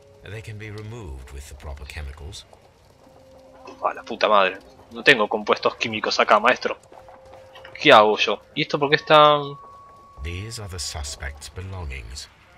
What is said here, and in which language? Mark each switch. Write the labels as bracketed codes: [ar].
[en] They can be removed with the proper chemicals. [es] Oh, la puta madre. No tengo compuestos químicos acá, maestro. ¿Qué hago yo? ¿Y esto por qué está? [en] These are the suspect's belongings.